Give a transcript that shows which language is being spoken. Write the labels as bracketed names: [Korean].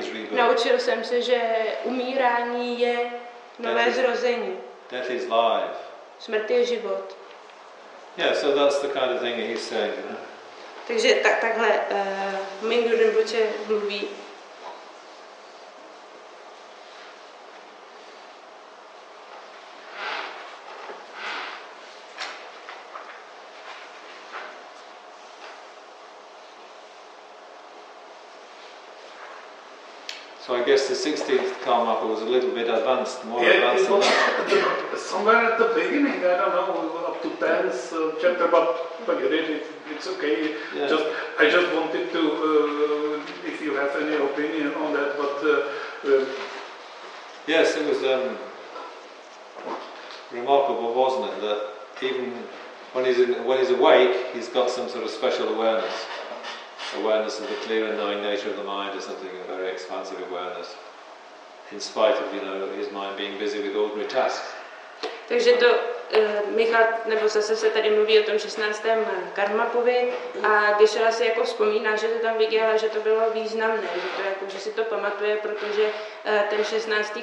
[Czech] Naučil jsem se, že umírání je nové zrození. [English] Death is life. [Czech] Smrt je život. [English] Yeah, so that's the kind of thing he's saying. [Czech] Takže takhle Mingyur Rinpoche mluví. [English] So I guess the 16th karma was a little bit advanced, more advanced. Somewhere at the beginning, I don't know, up to 10th chapter, but forget it, it's okay. Yeah. I just wanted to, if you have any opinion on that, but... Yes, it was remarkable, wasn't it, that even when he's awake, he's got some sort of special awareness. Awareness of the clear and knowing nature of the mind is something, a very expansive awareness, in spite of, you know, his mind being busy with ordinary tasks. [Czech] Takže to Michal, nebo zase se tady mluví o tom 16. karmapovi, a když se asi jako vzpomíná, že to tam viděl, že to bylo významné, že to jako, že si to pamatuje, protože ten 16.